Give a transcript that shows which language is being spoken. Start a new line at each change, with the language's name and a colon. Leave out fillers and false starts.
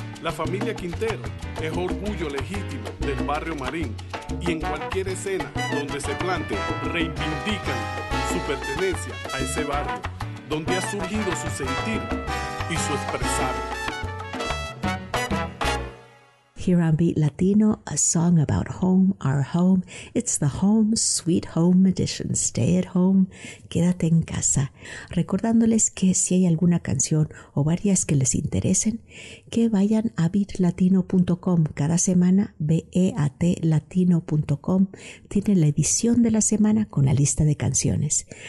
Spanish: La familia Quintero es orgullo legítimo del barrio Marín y en cualquier escena donde se plante reivindican su pertenencia a ese barrio, donde ha surgido su sentir y su expresar.
English: Here on Beat Latino, a song about home, our home. It's the Home Sweet Home Edition. Stay at home,
Spanish: quédate en casa. Recordándoles que si hay alguna canción o varias que les interesen, que vayan a beatlatino.com. Cada semana, beatlatino.com tiene la edición de la semana con la lista de canciones.